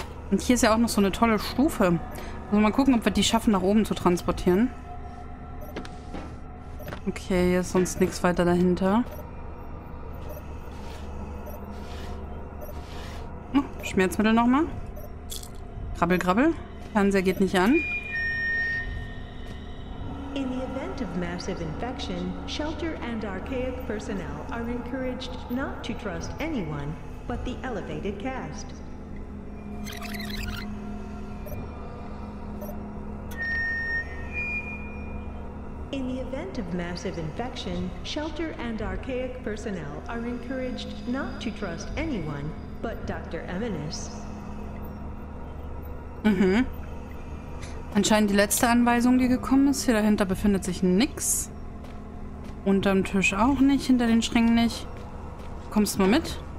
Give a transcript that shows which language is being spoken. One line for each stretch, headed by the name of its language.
German: Und hier ist ja auch noch so eine tolle Stufe. Also mal gucken, ob wir die schaffen, nach oben zu transportieren. Okay, hier ist sonst nichts weiter dahinter. Oh, Schmerzmittel nochmal. Krabbel, krabbel. Fernseher geht nicht an.
English: Of massive infection, shelter and archaic personnel are encouraged not to trust anyone but the elevated cast. In the event of massive infection, shelter and archaic personnel are encouraged not to trust anyone but Dr. Eminis. Mm-hmm.
German: Anscheinend die letzte Anweisung, die gekommen ist. Hier dahinter befindet sich nichts. Unterm Tisch auch nicht, hinter den Schränken nicht. Kommst du mal mit?